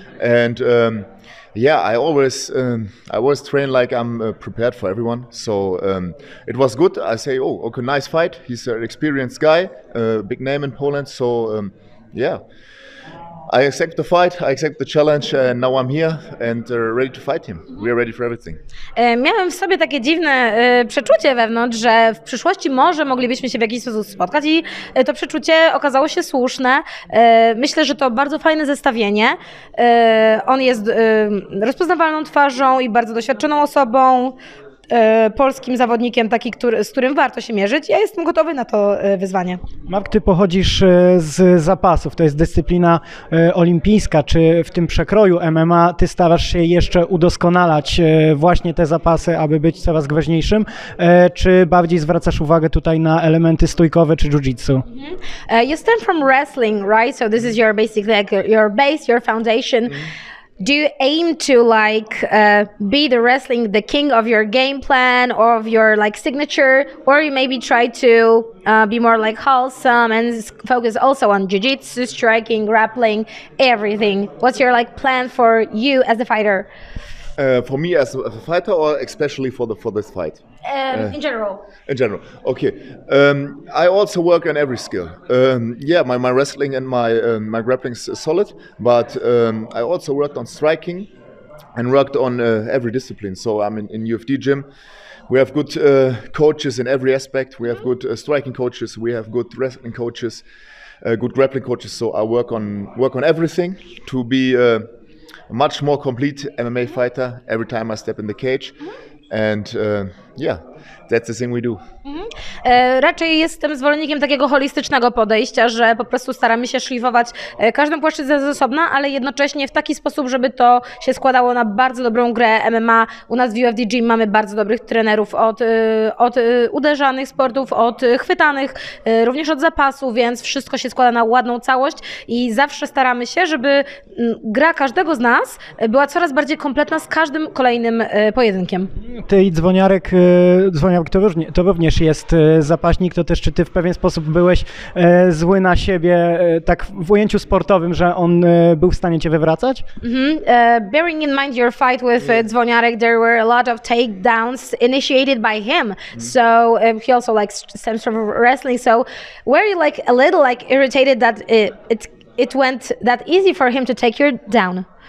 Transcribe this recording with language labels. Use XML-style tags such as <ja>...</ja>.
<en>And yeah, I always train like I'm prepared for everyone. So it was good. I say, oh, okay, nice fight. He's an experienced guy, big name in Poland. So yeah, I accept the fight, I accept the challenge, and now I'm here and ready to fight him. We are ready for everything.</en> <pl>Miałem w sobie takie dziwne przeczucie wewnątrz, że w przyszłości może moglibyśmy się w jakiś sposób spotkać i to przeczucie okazało się słuszne. Myślę, że to bardzo fajne zestawienie. On jest rozpoznawalną twarzą i bardzo doświadczoną osobą, polskim zawodnikiem, taki, z którym warto się mierzyć. Ja jestem gotowy na to wyzwanie. Mark, ty pochodzisz z zapasów, to jest dyscyplina olimpijska. Czy w tym przekroju MMA ty starasz się jeszcze udoskonalać właśnie te zapasy, aby być coraz groźniejszym? Czy bardziej zwracasz uwagę tutaj na elementy stójkowe czy jiu-jitsu?</pl> <en>You stem from wrestling, right? So this is your basic, like your base, your foundation. Do you aim to like be the wrestling, the king of your game plan or of your like signature, or you maybe try to be more like wholesome and focus also on jiu-jitsu, striking, grappling, everything? What's your like plan for you as a fighter? For me as a fighter or especially for this fight? In general. Okay. I also work on every skill. Yeah, my wrestling and my grappling is solid, but I also worked on striking and worked on every discipline. So I'm in UFD gym. We have good coaches in every aspect. We have good striking coaches. We have good wrestling coaches, good grappling coaches. So I work on everything to be a much more complete MMA fighter every time I step in the cage. And yeah, that's the thing we do.</en> <pl>Raczej jestem zwolennikiem takiego holistycznego podejścia, że po prostu staramy się szlifować każdą płaszczyznę z osobna, ale jednocześnie w taki sposób, żeby to się składało na bardzo dobrą grę MMA. U nas w UFD Gym mamy bardzo dobrych trenerów od uderzanych sportów, od chwytanych, również od zapasu, więc wszystko się składa na ładną całość i zawsze staramy się, żeby gra każdego z nas była coraz bardziej kompletna z każdym kolejnym pojedynkiem. Ty i dzwoniarek to również jest zapaśnik, to też czy ty w pewien sposób byłeś zły na siebie, tak w ujęciu sportowym, że on był w stanie cię wywracać?</pl> <en>Bearing in mind your fight with dzwoniarek, there were a lot of takedowns initiated by him. So he also like stems from wrestling. So were you like a little like irritated that it went that easy for him to take you down?</en>